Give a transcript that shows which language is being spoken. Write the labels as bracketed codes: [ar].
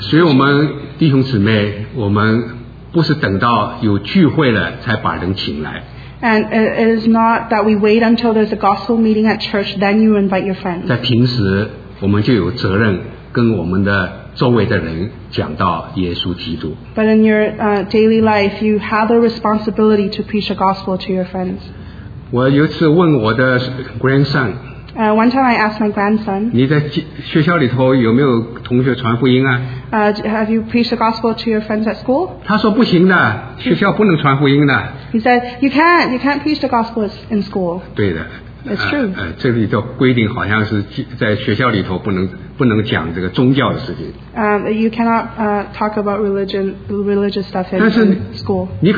[zh] 所以我们弟兄姊妹，我们不是等到有聚会了才把人请来。 [en] And it is not that we wait until there's a gospel meeting at church, then you invite your friends. [zh] 在平时，我们就有责任跟我们的周围的人讲到耶稣基督。 [en] But in your daily life, you have a responsibility to preach the gospel to your friends. [zh] 我有一次问我的 grandson, [en] One time I asked my grandson, [zh] 你在学校里头有没有同学传福音啊? [en] Have you preached the gospel to your friends at school? [zh] 他说不行的,学校不能传福音的。 [en] He said, you can't preach the gospel in school. [zh] 对的。 [en] It's true. [zh] 这里就规定好像是在学校里头不能讲这个宗教的事情。 [en] You cannot talk about religious stuff in school.